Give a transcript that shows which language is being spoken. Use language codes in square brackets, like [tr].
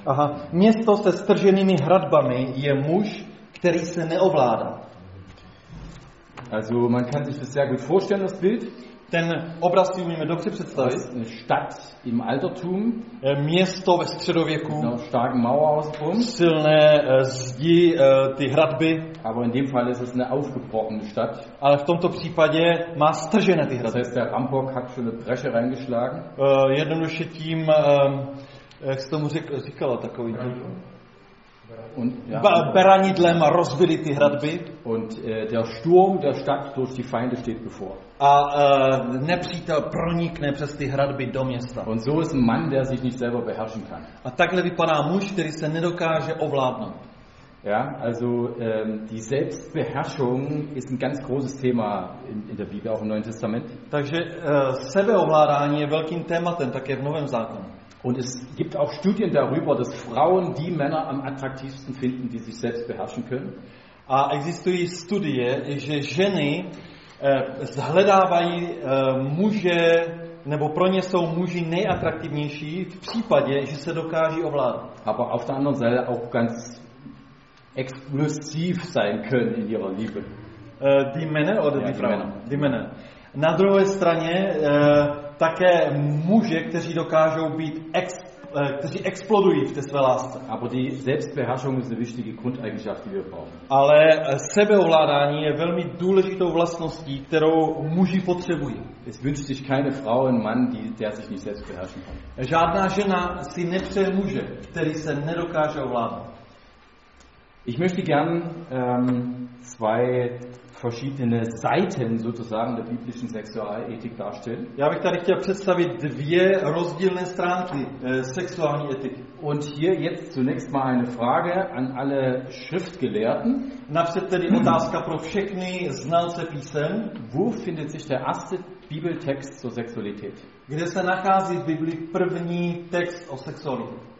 [cs] Aha, město se strženými hradbami je muž, který se neovládá. [de] Also man kann sich das sehr gut vorstellen, das Bild. [cs] Ten obraz si umíme dobře představit. [de] Eine Stadt im Altertum. [cs] Město ve středověku. [de] No, starken Mauer ausrum. [cs] Silné zdi, ty hradby. [de] Aber in dem Fall ist es eine aufgebrochene Stadt. [cs] Ale v tomto případě má stržené ty hradby. [de] Das heißt, der Rampok hat schon eine Bresche reingeschlagen. [cs] Jednoduše tím, jak se tomu říkalo, takový... [de] Und, [cs] ja, beranidlem rozbili ty hradby. [de] Und der Sturm der Stadt durch die Feinde steht bevor. [cs] A nepřítel pronikne přes ty hradby do města. [de] Und so ist ein Mann, der sich nicht selber beherrschen kann. [cs] A takhle vypadá muž, který se nedokáže ovládnout. [de] Ja, also die Selbstbeherrschung ist ein ganz großes Thema in der Bibel, auch im Neuen Testament. [cs] Takže sebeovládání je velkým tématem také v Novém zákonu. [de] Und es gibt auch Studien darüber, dass Frauen die Männer am attraktivsten finden, die sich selbst beherrschen können. [cs] A existují studie, že ženy zhledávají muže, nebo pro ně jsou muži nejatraktivnější v případě, že se dokáží ovládat. [de] Aber auf der anderen Seite auch ganz explosiv sein können in ihrer Liebe. Die Männer oder ja, die Frauen? Die Männer. [cs] Na druhé straně také muže, kteří dokážou být kteří explodují v té své lásce. [de] Aber die Selbstbeherrschung ist eine wichtige Grundeigenschaft, die wir brauchen. [cs] Ale sebeovládání je velmi důležitou vlastností, kterou muži potřebují. [de] Es wünscht sich keine Frau einen Mann, der sich nicht selbst beherrschen kann. [cs] Žádná žena si nepřeje muže, který se nedokáže ovládat. [de] Ich möchte gern zwei verschiedene Seiten sozusagen der biblischen Sexualethik darstellen. Ja, ich möchte dir vorstellen zwei verschiedene Seiten der sexuellen Ethik. Und hier jetzt zunächst mal eine Frage an alle Schriftgelehrten. [cs] Napřed tedy otázka pro všechny znalce písem. [de] Wo findet sich der erste Bibeltext zur Sexualität? [cs] Kde se nachází v Biblii první text o sexualitě?